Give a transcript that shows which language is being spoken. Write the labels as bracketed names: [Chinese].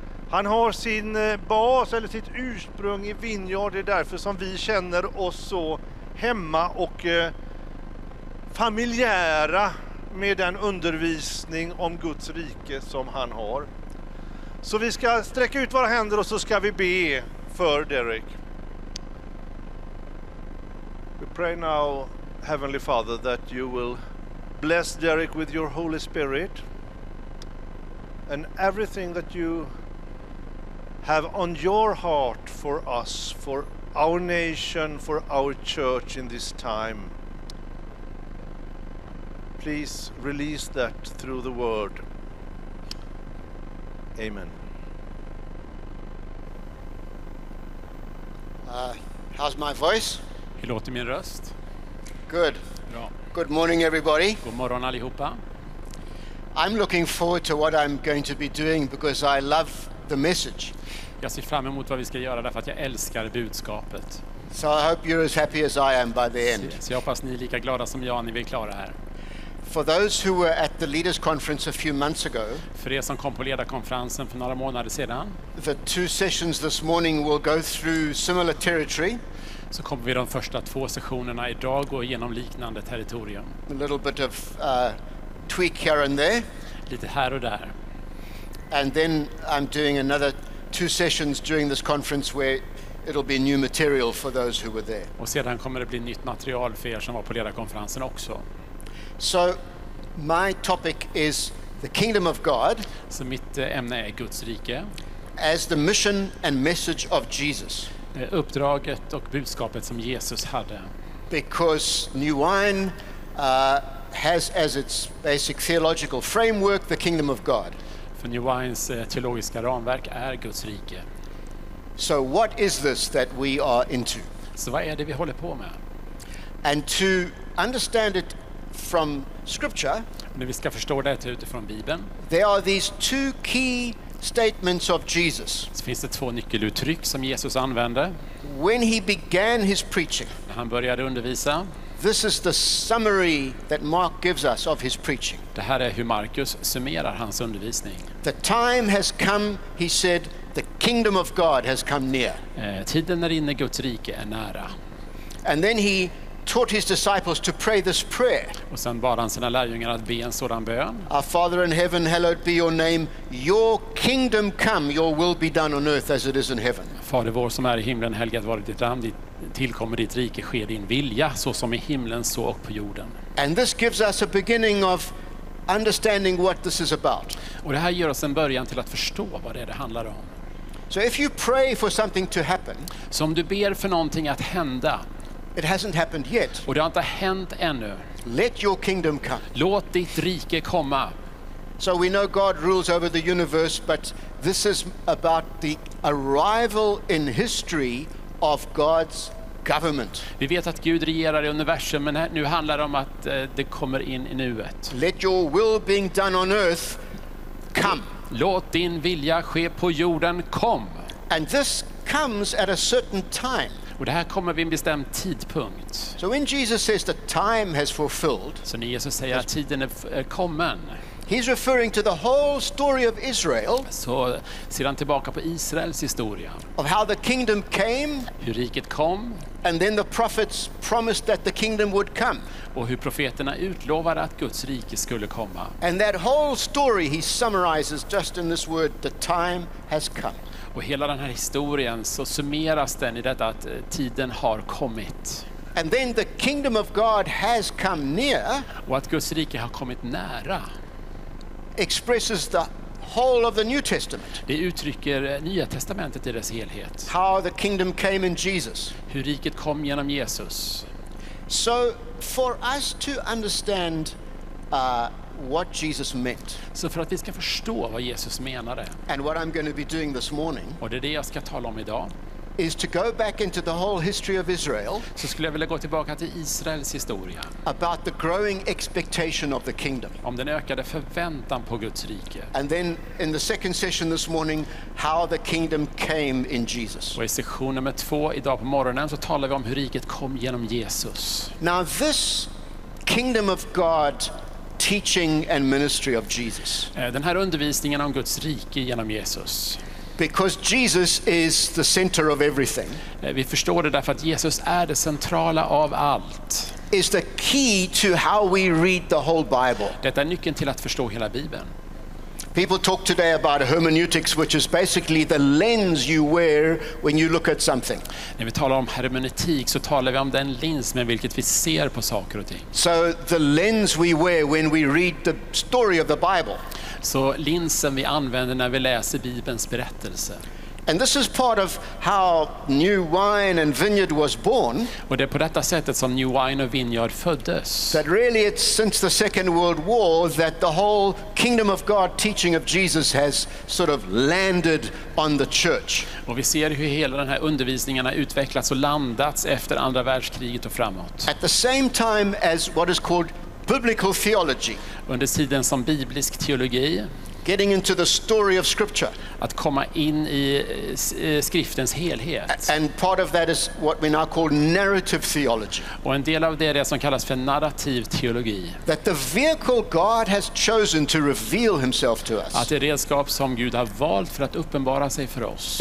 [Swedish] Han har sin bas eller sitt ursprung i Vineyard, det är därför som vi känner oss så hemma och familjära med den undervisning om Guds rike som han har. Så vi ska sträcka ut våra händer och så ska vi be för Derek. [English] We pray now, Heavenly Father, that you will bless Derek with your Holy Spirit and everything that you have on your heart for us, for our nation, for our church in this time. Please release that through the word. Amen. How's my voice? [Swedish] Hur låter min röst? [English] Good. [Swedish] Bra. [English] Good morning everybody. [Swedish] God morgon allihopa. [English] I'm looking forward to what I'm going to be doing because I love the message. [Swedish] Jag ser fram emot vad vi ska göra därför att jag älskar budskapet. [English] So I hope you're as happy as I am by the end. [Swedish] Så jag hoppas ni är lika glada som jag när vi är klara här. [English] For those who were at the leaders conference a few months ago. [Swedish] För er som kom på ledarkonferensen för några månader sedan. [English] The two sessions this morning will go through similar territory. [Swedish] Så kommer vi de första två sessionerna idag gå igenom liknande territorium. [English] A little bit of tweak here and there. [Swedish] Lite här och där. [English] And then I'm doing another two sessions during this conference where it'll be new material for those who were there. [Swedish] Och sedan kommer det bli nytt material för er som var på ledarkonferensen också. [English] So my topic is the kingdom of God. [Swedish] Så mitt ämne är Guds rike. [English] As the mission and message of Jesus. [Swedish] Uppdraget och budskapet som Jesus hade. [English] Because new wine has as its basic theological framework the kingdom of God. [Swedish] För new wines teologiska ramverk är Guds rike. [English] So what is this that we are into? [Swedish] Så vad är det vi håller på med? [English] And to understand it from scripture. [Swedish] Men vi ska förstå det utifrån Bibeln. [English] There are these two key statements of Jesus. [Swedish] Det finns två nyckeluttryck som Jesus använde. [English] When he began his preaching. [Swedish] När han började undervisa. [English] This is the summary that Mark gives us of his preaching. [Swedish] Det här är hur Markus summerar hans undervisning. [English] The time has come, he said, the kingdom of God has come near. [Swedish] Tiden är inne, Guds rike är nära. [English] And then he taught his disciples to pray this prayer. [Swedish] Och sen bad han sina lärjungar att be en sådan bön. [English] Our Father in heaven, hallowed be your name. Your kingdom come, your will be done on earth as it is in heaven. [Swedish] Fader vår som är i himlen, helgat vare ditt namn, tillkommer ditt rike, sker din vilja så som i himlen så och på jorden. [English] And this gives us a beginning of understanding what this is about. [Swedish] Och det här ger oss en början till att förstå vad det är det handlar om. [English] So if you pray for something to happen, [Swedish] så om du ber för någonting att hända, [English] it hasn't happened yet. [Swedish] Och det har inte hänt ännu. [English] Let your kingdom come. [Swedish] Låt ditt rike komma. [English] So we know God rules over the universe, but this is about the arrival in history of God's government. [Swedish] Vi vet att Gud regerar i universum, men nu handlar det om att det kommer in i nuet. [English] Let your will being done on earth come. [Swedish] Låt din vilja ske på jorden, kom. [English] And this comes at a certain time. [Swedish] Och det här kommer vid en bestämd tidpunkt. [English] So when Jesus says that time has fulfilled, [Swedish] så när Jesus säger att tiden är kommen, [English] he's referring to the whole story of Israel. [Swedish] Så ser han tillbaka på Israels historia. [English] Of how the kingdom came. [Swedish] Hur riket kom. [English] And then the prophets promised that the kingdom would come. [Swedish] Och hur profeterna utlovade att Guds rike skulle komma. [English] And that whole story he summarizes just in this word, the time has come. [Swedish] Och hela den här historien så summeras den i detta att tiden har kommit. [English] And then the kingdom of God has come near. [Swedish] Och att Guds rike har kommit nära. [English] Expresses the whole of the New Testament. [Swedish] Det uttrycker Nya testamentet i dess helhet. [English] How the kingdom came in Jesus. [Swedish] Hur riket kom genom Jesus. [English] So for us to understand what Jesus meant. [Swedish] Så för att vi ska förstå vad Jesus menade. [English] And what I'm going to be doing this morning. [Swedish] Och det är det jag ska tala om idag. [English] Is to go back into the whole history of Israel. [Swedish] Så skulle jag vilja gå tillbaka till Israels historia. [English] About the growing expectation of the kingdom. [Swedish] Om den ökade förväntan på Guds rike. [English] And then in the second session this morning, how the kingdom came in Jesus. [Swedish] Och i session nummer två idag på morgonen så talar vi om hur riket kom genom Jesus. [English] Now this kingdom of God teaching and ministry of Jesus. [Swedish] Den här undervisningen om Guds rike genom Jesus. [English] Because Jesus is the center of everything. [Swedish] Vi förstår det därför att Jesus är det centrala av allt. [English] Is the key to how we read the whole Bible. [Swedish] Detta är nyckeln till att förstå hela Bibeln. [English] People talk today about hermeneutics, which is basically the lens you wear when you look at something. [Swedish] När vi talar om hermeneutik så talar vi om den lins med vilket vi ser på saker och ting. [English] So the lens we wear when we read the story of the Bible. [Swedish] Så linsen vi använder när vi läser Bibelns berättelse. [English] And this is part of how new wine and vineyard was born. [Swedish] Och det är på detta sättet som new wine och vinjard föddes. [English] That really it's since the Second World War that the whole kingdom of God teaching of Jesus has sort of landed on the church. [Swedish] Och vi ser hur hela den här undervisningen har utvecklats och landats efter andra världskriget och framåt. [English] At the same time as what is called biblical theology. [Swedish] Under tiden som biblisk teologi. [English] Getting into the story of scripture. [Swedish] Att komma in i skriftens helhet. [English] And part of that is what we now call narrative theology. [Swedish] Och en del av det är det som kallas för narrativ teologi. [English] That the vehicle God has chosen to reveal himself to us. [Swedish] Att det redskap som Gud har valt för att uppenbara sig för oss.